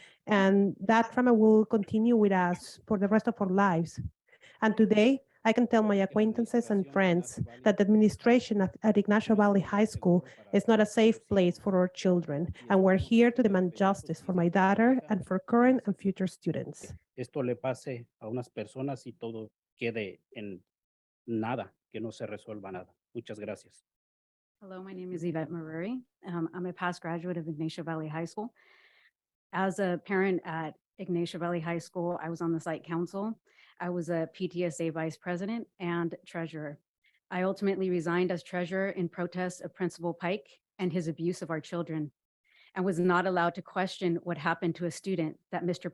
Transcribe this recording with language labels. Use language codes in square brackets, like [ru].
[en] And that trauma will continue with us for the rest of our lives. And today, I can tell my acquaintances and friends that the administration at Ygnacio Valley High School is not a safe place for our children, and we're here to demand justice for my daughter and for current and future students. [es] Esto le pase a unas personas y todo quede en nada, que no se resuelva nada. Muchas gracias. [en] Hello, my name is Yvette Maruri. I'm a past graduate of Ygnacio Valley High School. As a parent at Ygnacio Valley High School, I was on the site council. I was a PTSA vice president and treasurer. I ultimately resigned as treasurer in protest of Principal Pike and his abuse of our children, and was not allowed to question what happened to a student that Mr.